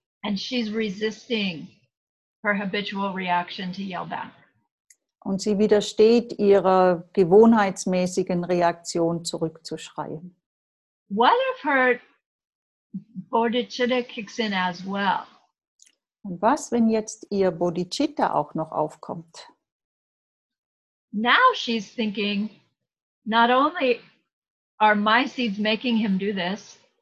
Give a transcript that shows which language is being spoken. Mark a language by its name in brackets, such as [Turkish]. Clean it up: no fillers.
[English] And she's resisting her habitual reaction to yell back. [German] Und sie widersteht ihrer gewohnheitsmäßigen Reaktion, zurückzuschreien. [English] What if her bodhicitta kicks in as well? [German] Und was, wenn jetzt ihr Bodhicitta auch noch aufkommt? [English] Now she's thinking, not only are my seeds making him do this.